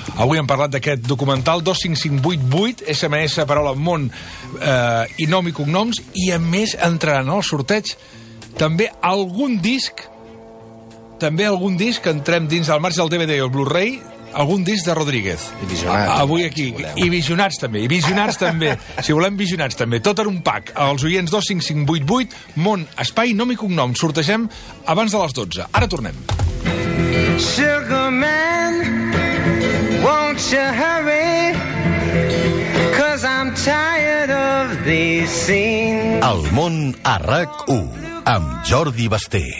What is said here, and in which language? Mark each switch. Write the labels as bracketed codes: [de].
[ca] Avui hem parlat d'aquest documental 25588, SMS, paraula, món, i nom i cognoms, i a més entraran al sorteig també algun disc, entrem dins del marge del DVD i el Blu-ray, algun disc de Rodríguez. I visionats. Avui aquí. Si I visionats també. Si volem, visionats també. Tot en un pack. Els oients 25588, món, espai, nom i cognom. Sortegem abans de les 12. Ara tornem. [en] Sugar man, won't you hurry? 'Cause I'm tired of these scenes. [ca] El món a RAC1, amb Jordi Basté.